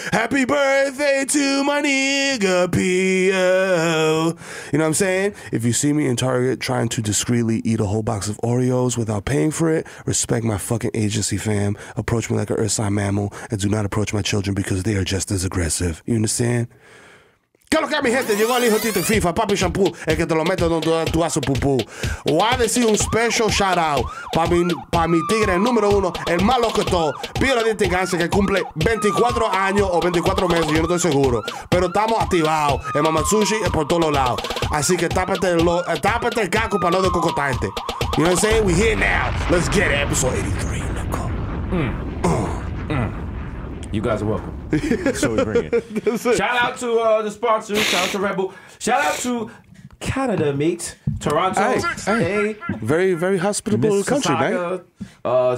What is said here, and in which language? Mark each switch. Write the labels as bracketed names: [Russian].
[English] Happy birthday to my nigga P.L. You know what I'm saying? If you see me in Target trying to discreetly eat a whole box of Oreos without paying for it, respect my fucking agency, fam. Approach me like an Earth sign mammal and do not approach my children because they are just as aggressive. You understand? [Spanish] ¿Qué lo que mi gente? Llegó el hijo de FIFA, papi shampoo, el que te lo mete donde tú haces pupú. Voy a decir un [English] special shout out [Spanish] para mi tigre número uno, el más loco de todo, Pío de Tigance, que cumple 24 años o 24 meses, yo no estoy seguro. Pero estamos activados, el mamatsushi es por todos los lados. Así que tápate el caco para no descocotarte. [English] You know what I'm saying? We here now. Let's get it. Episode 83, loco. You guys are welcome. So we bring it. Shout out to the sponsors. Shout out to Rebel. Shout out to Canada, mate. Toronto. Hey. Very, very hospitable Mississauga. Country, man.